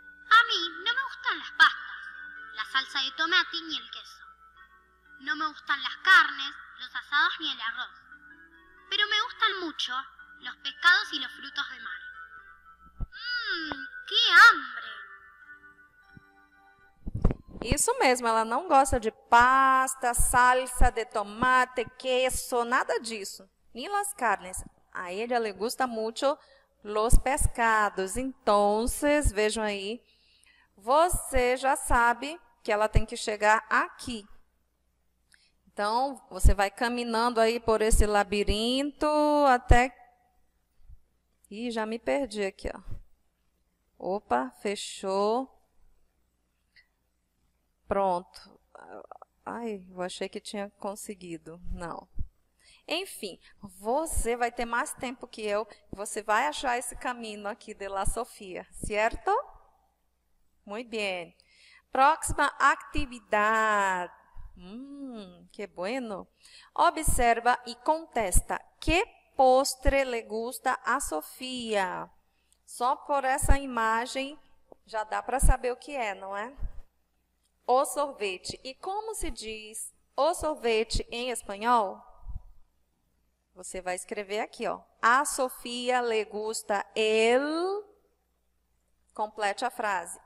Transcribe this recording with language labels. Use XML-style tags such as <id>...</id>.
<es>A mí no me gustan las pastas, la salsa de tomate ni el queso. No me gustan las carnes, los asados ni el arroz. Pero me gustan mucho los pescados y los frutos de mar. ¡Qué hambre!</es> <pt>Isso mesmo, ela não gosta de pasta, salsa de tomate, queso, nada disso.</pt> <es>Ni las carnes. A ella le gusta mucho los pescados.</es> <pt>Então, vejam aí. Você já sabe que ela tem que chegar aqui. Então, você vai caminhando aí por esse labirinto até. Ih, já me perdi aqui, ó. Opa, fechou. Pronto. Ai, eu achei que tinha conseguido. Não. Enfim, você vai ter mais tempo que eu. Você vai achar esse caminho aqui de La Sofia, certo? Muito bem. Próxima atividade.</pt> <es>Qué bueno. Observa y contesta. ¿Qué postre le gusta a Sofía?</es> <pt>Só por essa imagem já dá para saber o que é, não é? O sorvete. E como se diz o sorvete em espanhol? Você vai escrever aqui, ó.</pt> <es>A Sofía le gusta el...</es> <pt>Complete a frase.</pt>